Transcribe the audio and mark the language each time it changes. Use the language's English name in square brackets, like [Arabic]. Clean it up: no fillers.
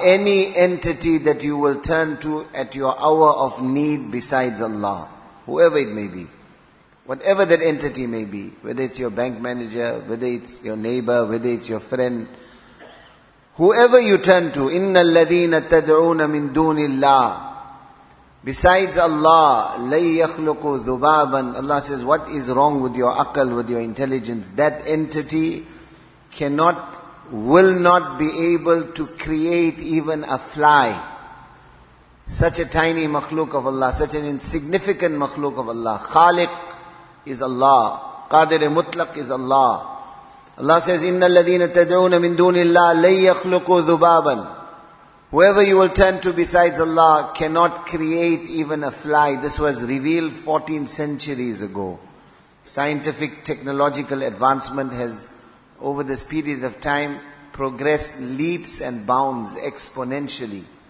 [English] Any entity that you will turn to at your hour of need besides Allah, whoever it may be, whatever that entity may be, whether it's your bank manager, whether it's your neighbor, whether it's your friend, whoever you turn to, [Arabic] إِنَّ الَّذِينَ تَدْعُونَ مِن دُونِ اللَّهِ. [English] Besides Allah, [Arabic] لَيْ يَخْلُقُ ذُبَابًا. [English] Allah says, what is wrong with your aql, with your intelligence? That entity cannot, will not be able to create even a fly. Such a tiny makhluk of Allah, such an insignificant makhluk of Allah. Khaliq is Allah. Qadir-i Mutlaq is Allah. Allah says, [Arabic] إِنَّ الَّذِينَ تَدْعُونَ مِن دُونِ اللَّهِ لَيْ يَخْلُقُ ذُبَابًا. [English] Whoever you will turn to besides Allah cannot create even a fly. This was revealed 14 centuries ago. Scientific technological advancement has, over this period of time, progressed leaps and bounds exponentially.